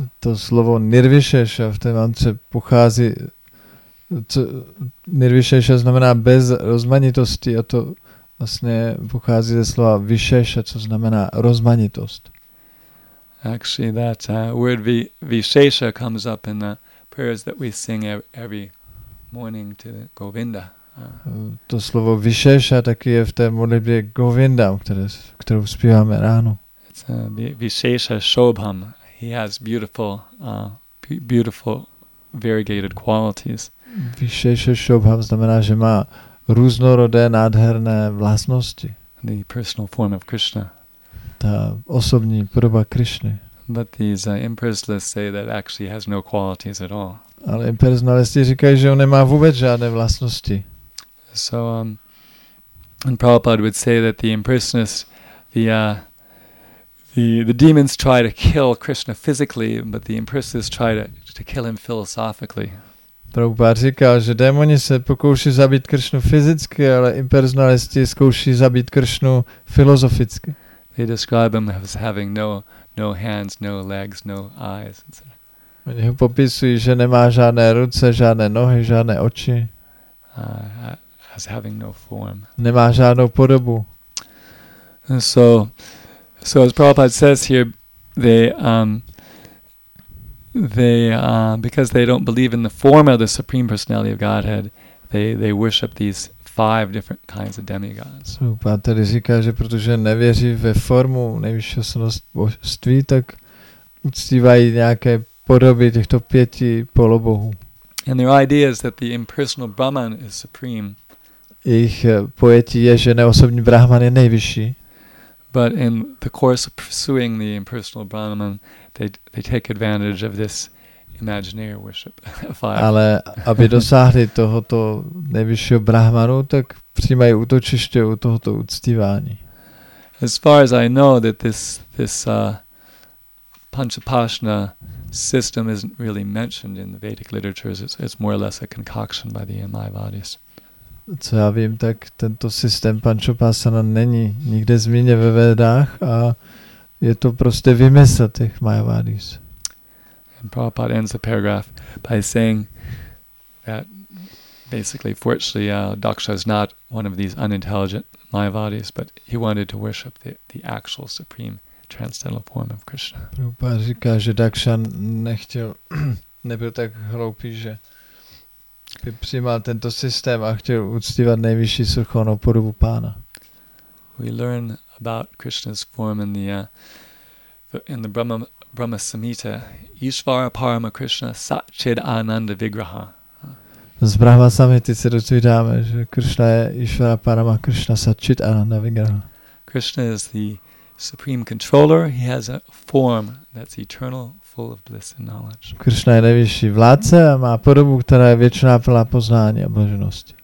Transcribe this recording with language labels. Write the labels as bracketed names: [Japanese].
[Czech] To slovo nirvishesha v té mantře pochází, co nirvishesha znamená bez rozmanitosti, a to vlastně pochází ze slova vishesha, co znamená rozmanitost. [English] Actually, that word Vishesha comes up in the prayers that we sing every morning to the Govinda. [Czech] To slovo Vishesha taky je v té modlitbě Govinda, kterou zpíváme ráno. [English] It's Vishesha Shobham. He has beautiful, beautiful variegated qualities. [Czech] Vishesha Shobham znamená, že má různorodé, nádherné vlastnosti. [English] The personal form of Krishna. [Czech] Ta osobní podoba Krishny. [English] But these impersonalists say that actually has no qualities at all. [Czech] Ale impersonalisti říkají, že on nemá vůbec žádné vlastnosti. [English] So, and Prabhupada would say that the impersonalists, the demons try to kill Krishna physically, but the impersonalists try to kill him philosophically. [Czech] Prabhupada říkal, že démoni se pokouší zabít Krishnu fyzicky, ale impersonalisti zkouší zabít Krishnu filozoficky. [English] They describe him as having no hands, no legs, no eyes, etc. [Czech] Oni ho popisují, že nemá žádné ruce, žádné nohy, žádné oči. [English] As having no form. [Czech] Nemá žádnou podobu. [English] And so as Prabhupada says here, because they don't believe in the form of the Supreme Personality of Godhead, they worship these five different kinds of demigods. [Czech] Prabhupada tedy říká, že protože nevěří ve formu nejvyššího božství, tak uctívají nějaké podoby těchto pěti polobohů. [English] And their idea is that the impersonal Brahman is supreme. [Czech] Jejich pojetí je, že neosobní Brahman je nejvyšší. [English] But in the course of pursuing the impersonal Brahman, they take advantage of this imaginary worship. [Czech] Ale aby dosáhli tohoto nejvyššího Brahmanu, tak přijímají útočiště u tohoto uctívání. [English] As far as I know, that this Panchapashna system isn't really mentioned in the Vedic literature. It's more or less a concoction by the Mayavadis. [Czech] Co já vím, tak tento systém Panchapasana není nikde zmíněn ve Vedách a je to prostě vymysl těch Mayavadis. [English] And Prabhupada ends the paragraph by saying that basically, fortunately, Daksha is not one of these unintelligent Mayavadis, but he wanted to worship the actual supreme transcendental form of Krishna. [Czech] Prabhupada říká, že Daksha nebyl tak hloupý, že by přijímal tento systém a chtěl uctívat nejvyšší svrchovanou podobu pána. [English] We learn about Krishna's form in the Brahma Samhita. [Sanskrit] Ishvara Parama Krishna Satchid Ananda Vigraha. [Czech] Z Brahma Samhity se dozvídáme, že Krishna je [Sanskrit] Ishvara Parama Krishna Satchid Ananda Vigraha. [English] Krishna is the supreme controller. He has a form that's eternal, full of bliss and knowledge. [Czech] Krishna je nejvyšší vládce a má podobu, která je věčná, plná poznání a blaženosti.